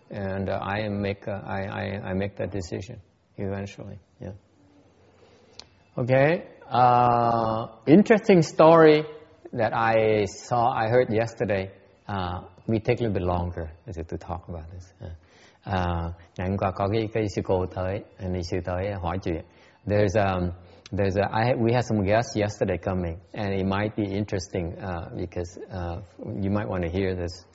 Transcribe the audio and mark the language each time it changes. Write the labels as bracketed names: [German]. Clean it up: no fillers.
[English] And I make that decision eventually. Yeah. Okay. Interesting story that I heard yesterday. We take a little bit longer to talk about this. [Vietnamese] Ngày hôm qua có cái sư cô tới, anh sư tới hỏi chuyện. [English] We had some guests yesterday coming, and it might be interesting because you might want to hear this.